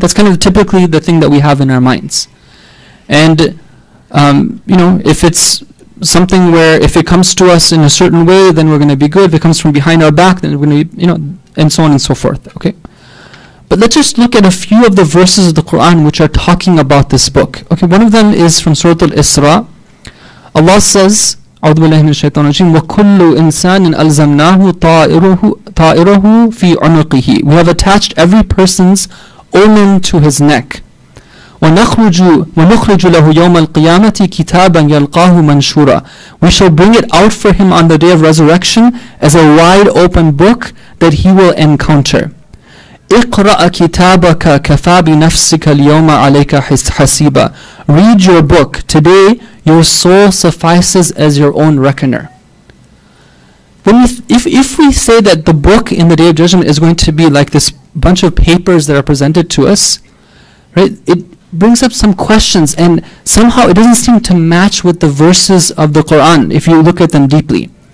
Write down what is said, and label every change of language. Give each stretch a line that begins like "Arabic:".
English: That's kind of typically the thing that we have in our minds. And, you know, if it's something where if it comes to us in a certain way, then we're going to be good. If it comes from behind our back, then we're going to be, you know, and so on and so forth. Okay? But let's just look at a few of the verses of the Quran which are talking about this book. Okay, one of them is from Surah Al-Isra. Allah says,
Arabic: أعوذ بالله من الشيطان الرجيم وكل إنسان ألزمناه طائره في عنقه.
English: We have attached every person's omen to his neck.
Arabic: ونخرج له يوم القيامة كتابا يلقاه منشورا.
English: We shall bring it out for him on the day of resurrection as a wide open book that he will encounter.
Arabic: اقرأ كتابك كفى بنفسك اليوم عليك حسيبا.
English: Read your book. Today your soul suffices as your own reckoner. If we say that the book in the Day of Judgment is going to be like this bunch of papers that are presented to us, right, it brings up some questions, and somehow it doesn't seem to match with the verses of the Quran if you look at them deeply.